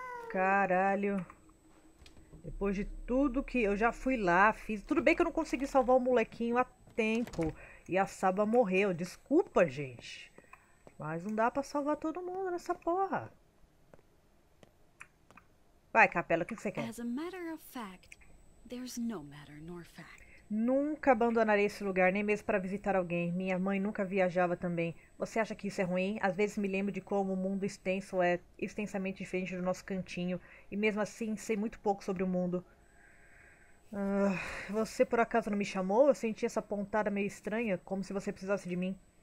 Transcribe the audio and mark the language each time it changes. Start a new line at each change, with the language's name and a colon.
Portuguese: Caralho. Depois de tudo que eu já fui lá, fiz. Tudo bem que eu não consegui salvar o molequinho a tempo. E a Saba morreu. Desculpa, gente. Mas não dá pra salvar todo mundo nessa porra. Vai, Capela, o que você quer?
English: As a matter of fact, there's no matter nor fact.
Portuguese: Nunca abandonarei esse lugar, nem mesmo para visitar alguém. Minha mãe nunca viajava também. Você acha que isso é ruim? Às vezes me lembro de como o mundo extenso é extensamente diferente do nosso cantinho. E mesmo assim, sei muito pouco sobre o mundo. Você por acaso não me chamou? Eu senti essa pontada meio estranha, como se você precisasse de mim.